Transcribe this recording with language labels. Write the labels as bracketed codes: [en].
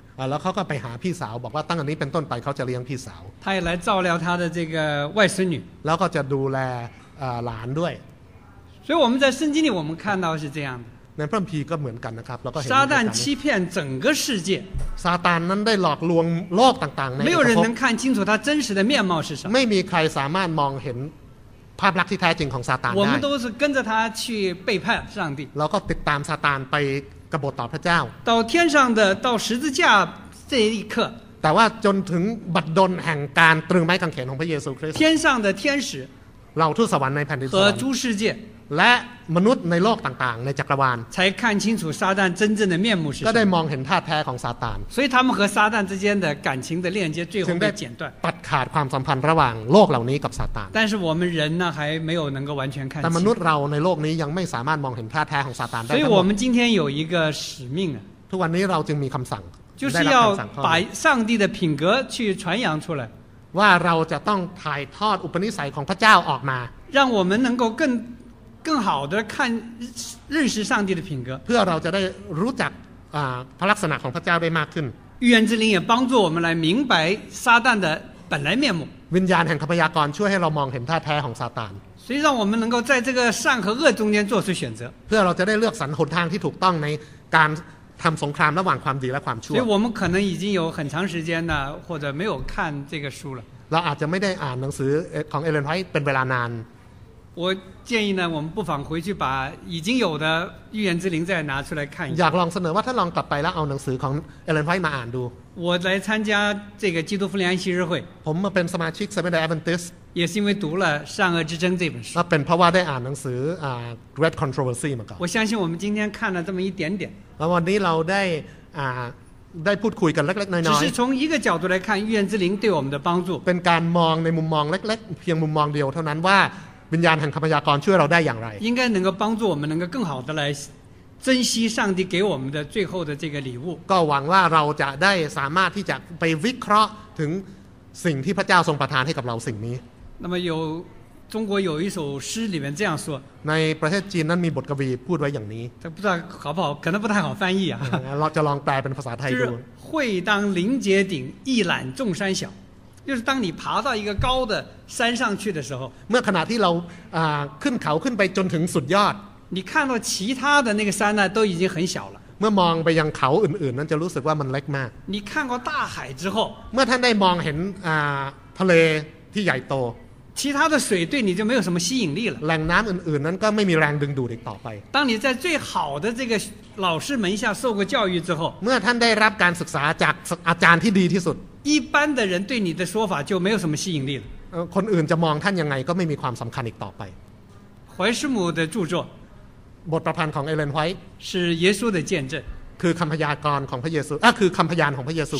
[th] แล้วเขาก็ไปหาพี่สาวบอกว่าตั้งแต่นี้เป็นต้นไปเขาจะเลี้ยงพี่สาว [zh] 他也来照料他的这个外孙女 [th] แล้วก็จะดูแลหลานด้วย [zh] 所以我们在圣经里我们看到是这样的 [th] ในพระคัมภีร์ก็เหมือนกันนะครับเราก็เห็น [zh] ซาตาน欺骗整个世界 [th] ซาตานนั้นได้หลอกลวงโลกต่างๆใน [zh] 没有人能看清楚他真实的面貌是什么 [th] ไม่มีใครสามารถมองเห็น ภาพลักษณ์ที่แท้จริงของซาตานได้ [zh] 我们都是跟着他去背叛上帝 [th] เราก็ติดตามซาตานไปกบฏต่อพระเจ้า [zh] 到天上的到十字架这一刻 [th] แต่ว่าจนถึงบัดดลแห่งการตรึงไม้กางเขนของพระเยซูคริสต์ [zh] 天上的天使 [th] เราทูตสวรรค์ในแผ่นดินสวรรค์ [zh] 和诸世界 [th] และมนุษย์ในโลกต่างๆในจักรวาล [zh] 才看清楚撒旦真正的面目是 [th] ก็ได้มองเห็นท่าแท้ของซาตาน [zh] 所以他们和撒旦之间的感情的链接最后被剪断 [th] ตัดขาดความสัมพันธ์ระหว่างโลกเหล่านี้กับซาตาน [zh] 但是我们人呢还没有能够完全看 [th] 清แต่มนุษย์เราในโลกนี้ยังไม่สามารถมองเห็นท่าแท้ของซาตานได้ [zh] 所以我们今天有一个使命 [th] ทุกวันนี้เราจึงมีคำสั่ง [zh] 就是要把上帝的品格去传扬出来 [th] ว่าเราจะต้องถ่ายทอดอุปนิสัยของพระเจ้าออกมา [zh] 让我们能够更好的看认识上帝的品格 [th] เพื่อเราจะได้รู้จักพระลักษณะของพระเจ้าได้มากขึ้น [zh] 预言之灵也帮助我们来明白撒旦的本来面目 [th] วิญญาณแห่งพยากรณ์ช่วยให้เรามองเห็นท่าแท้ของซาตาน สิ่งที่ [zh] 我们能够在这个善和恶中间做出选择 [th] เพื่อเราจะได้เลือกสรรหนทางที่ถูกต้องในการทำสงครามระหว่างความดีและความชั่ว [zh] 所以我们可能已经有很长时间呢或者没有看这个书了 [th] เราอาจจะไม่ได้อ่านหนังสือของเอเลนไวท์เป็นเวลานาน [zh] 我建议呢我们不妨回去把已经有的预言之灵再拿出来看一下 [th] อยากลองเสนอว่าถ้าลองกลับไปแล้วเอาหนังสือของเอเลนไวท์มาอ่านดู [zh] 我来参加这个基督复临安息日会 [th] ผมมาเป็นสมาชิกเซเว่นเดย์แอดเวนทิสต์ [zh] 也是因为读了善恶之争这本书 [th] เป็นเพราะว่าได้อ่านหนังสือGreat Controversy มาก่อน [zh] 我相信我们今天看了这么一点点 [th] แล้ววันนี้เราได้ได้พูดคุยกันเล็กๆน้อยๆ [zh] 只是从一个角度来看预言之灵对我们的帮助 [th] เป็นการมองในมุมมองเล็กๆเพียงมุมมองเดียวเท่านั้นว่าวิญญาณแห่งพยากรณ์ช่วยเราได้อย่างไร [zh] 应该能够帮助我们能够更好的来珍惜上帝给我们的最后的这个礼物 [th] ก็หวังว่าเราจะได้สามารถที่จะไปวิเคราะห์ถึงสิ่งที่พระเจ้าทรงประทานให้กับเราสิ่งนี้ [zh] 那么有中国有一首诗里面这样说 [th] ในประเทศจีนนั้นมีบทกวีพูดไว้อย่างนี้ [zh] แต่不知道好不好可能不太好翻译啊 [th] เราจะลองแปลเป็นภาษาไทยดู [zh] 会当凌绝顶一览众山小就是当你爬到一个高的山上去的时候 [th] เมื่อขณะที่เราขึ้นเขาขึ้นไปจนถึงสุดยอด [zh] 你看到其他的那个山呢都已经很小了 [th] เมื่อมองไปยังเขาอื่นๆนั้นจะรู้สึกว่ามันเล็กมาก [zh] 你看过大海之后 [th] เมื่อท่านได้มองเห็นทะเลที่ใหญ่โต [zh] 其他的水对你就没有什么吸引力了 [th] แหล่งน้ำอื่นๆนั้นก็ไม่มีแรงดึงดูดอีกต่อไป [zh] 当你在最好的这个老师门下受过教育之后 [th] เมื่อท่านได้รับการศึกษาจากอาจารย์ที่ดีที่สุด [zh] 一般的人对你的说法就没有什么吸引力了 [th] คนอื่นจะมองท่านยังไงก็ไม่มีความสำคัญอีกต่อไป [zh] 怀师母的著作 [th] บทประพันธ์ของเอเลนไวท์ [zh] 是耶稣的见证 [th] คือคำพยากรณ์ของพระเยซูคือคำพยานของพระเยซู